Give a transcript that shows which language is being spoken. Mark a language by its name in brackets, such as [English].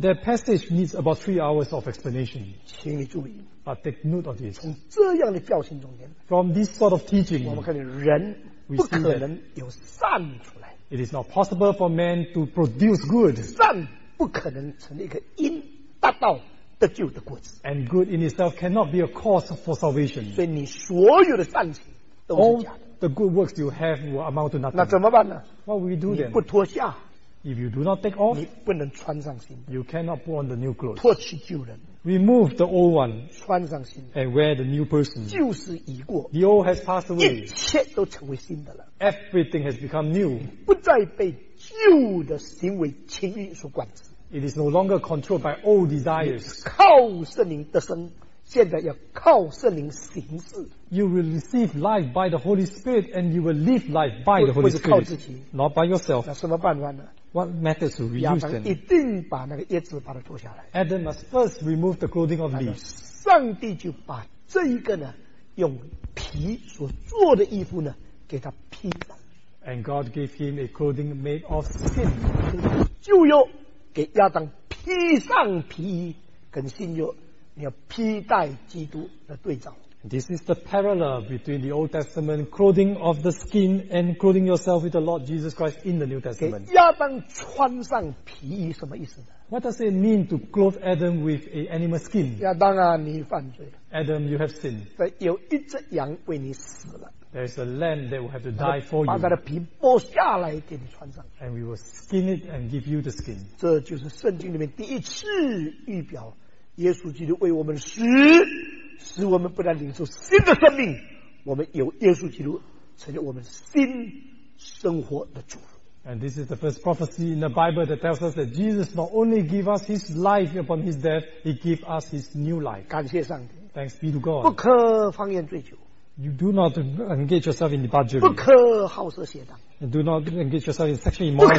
[English] That passage needs about 3 hours of explanation. [Chinese] 请你注意。 [English] But take note of this. [Chinese] 从这样的教训中间。 [English] From this sort of teaching. [Chinese] 我们看见人不可能有善出来。 [English] It is not possible for man to produce good. [Chinese] 善不可能成一个因达到得救的果子。 [English] And good in itself cannot be a cause for salvation. [Chinese] 所以你所有的善行都是假的。 [English] All the good works you have will amount to nothing. [Chinese] 那怎么办呢？ [English] What will we do then? [Chinese] 你不脱下。 [English] If you do not take off, [Chinese] 你不能穿上新的。 [English] You cannot put on the new clothes. [Chinese] 脱去旧人。 [English] Remove the old one. [Chinese] 穿上新的。 [English] And wear the new person. [Chinese] 旧事已过。 [English] The old has passed away. [Chinese] 一切都成为新的了。 [English] Everything has become new. [Chinese] 不再被旧的行为情欲所管制。 [English] It is no longer controlled by old desires. [Chinese] 靠圣灵得生，现在要靠圣灵行事。 [English] You will receive life by the Holy Spirit, and you will live life by the Holy Spirit. [Chinese] 不是靠自己 [English] ，not by yourself. [Chinese] 那什么办法呢 [English] ？What methods to reduce them? [Chinese] 亚当一定把那个叶子把它脱下来。 [English] Adam must first remove the clothing of leaves. [Chinese] 上帝就把这一个呢，用皮所做的衣服呢，给他披上。 [English] And God gave him a clothing made of skin. [Chinese] 就有给亚当披上皮衣，跟新约你要披戴基督的对照。 [English] This is the parallel between the Old Testament clothing of the skin and clothing yourself with the Lord Jesus Christ in the New Testament. [Chinese] 给亚当穿上皮衣什么意思呢 [English] ？What does it mean to clothe Adam with an animal skin？ [Chinese] 亚当啊，你犯罪了。 [English] Adam, you have sinned. [Chinese] 在有一只羊为你死了。 [English] There is a lamb that will have to die for you. [Chinese] 把它的皮剥下来给你穿上。 [English] And we will skin it and give you the skin. [Chinese] 这就是圣经里面第一次预表，耶稣基督为我们死，使我们不但领受新的生命，我们有耶稣基督成为我们新生活的主。 [English] And this is the first prophecy in the Bible that tells us that Jesus not only gave us His life upon His death, He gave us His new life. [Chinese] 感谢上帝。 [English] Thanks be to God. [Chinese] 不可方言醉酒。 [English] You do not engage yourself in debauchery. [Chinese] 不可好色邪荡。 [English] You do not engage yourself in sexual immorality.